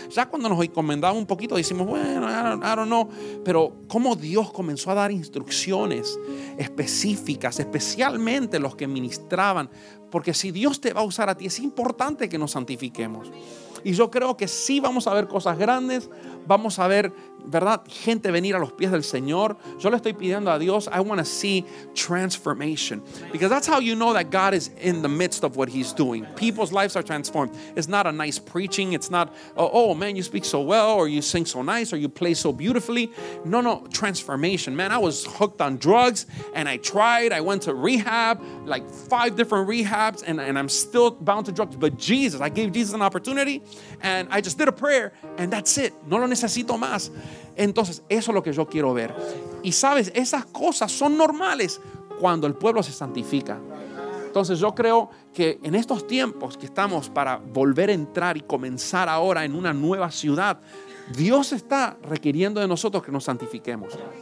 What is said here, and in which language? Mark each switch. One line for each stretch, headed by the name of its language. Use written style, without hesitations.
Spanish: Ya cuando nos encomendamos un poquito, decimos, bueno,
English: I don't know.
Spanish: Pero cómo Dios comenzó a dar instrucciones específicas, especialmente los que ministraban. Porque si Dios te va a usar a ti, es importante que nos santifiquemos. Y yo creo que sí vamos a ver cosas grandes. Vamos a ver, ¿verdad?, gente venir a los pies del Señor. Yo le estoy pidiendo a Dios,
English: I want to see transformation. Because that's how you know that God is in the midst of what he's doing. People's lives are transformed. It's not a nice preaching. It's not, oh man, you speak so well, or you sing so nice, or you play so beautifully. No, no, transformation. Man, I was hooked on drugs, and I tried. I went to rehab, like 5 different rehabs, and I'm still bound to drugs. But Jesus, I gave Jesus an opportunity, and I just did a prayer, and that's it.
Spanish: No lo necesito más. Entonces, eso es lo que yo quiero ver. Y sabes, esas cosas son normales cuando el pueblo se santifica. Entonces, yo creo que en estos tiempos que estamos para volver a entrar y comenzar ahora en una nueva ciudad, Dios está requiriendo de nosotros que nos santifiquemos.